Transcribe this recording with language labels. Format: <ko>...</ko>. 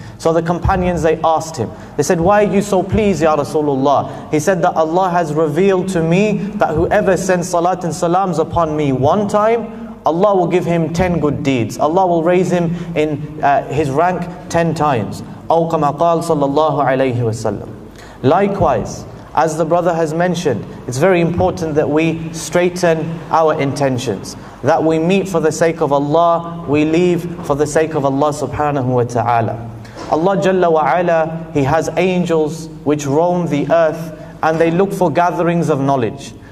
<en>So the companions, they asked him, they said, why are you so pleased, Ya Rasulullah? He said that Allah has revealed to me that whoever sends salat and salams upon me one time, Allah will give him 10 good deeds. Allah will raise him in his rank 10 times.</en> <ar>أو كما قال صلى الله عليه وسلم.</ar> <en>Likewise, as the brother has mentioned, it's very important that we straighten our intentions, that we meet for the sake of Allah, we leave for the sake of Allah subhanahu wa ta'ala. Allah jalla wa ala, He has angels which roam the earth, and they look for gatherings of knowledge.</en>